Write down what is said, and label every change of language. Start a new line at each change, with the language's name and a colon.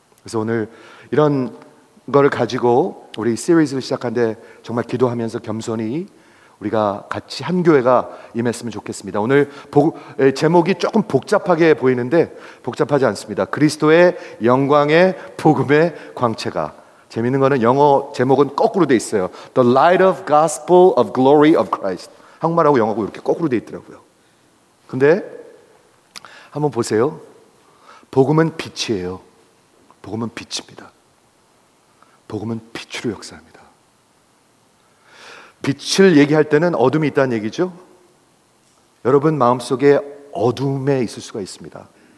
Korean: 그래서 오늘 이런 거를 가지고 우리 시리즈를 시작하는데 정말 기도하면서 겸손히 우리가 같이 한 교회가 임했으면 좋겠습니다. 오늘 제목이 조금 복잡하게 보이는데 복잡하지 않습니다. 그리스도의 영광의 복음의 광채가 재밌는 거는 영어 제목은 거꾸로 돼 있어요.
English: The Light of Gospel of Glory of Christ.
Korean: 한국말하고 영어하고 이렇게 거꾸로 돼 있더라고요. 근데 한번 보세요. 복음은 빛이에요. 복음은 빛입니다. 복음은 빛으로 역사합니다. 빛을 얘기할 때는 어둠이 있다는 얘기죠. 여러분 마음속에 어둠에 있을 수가 있습니다.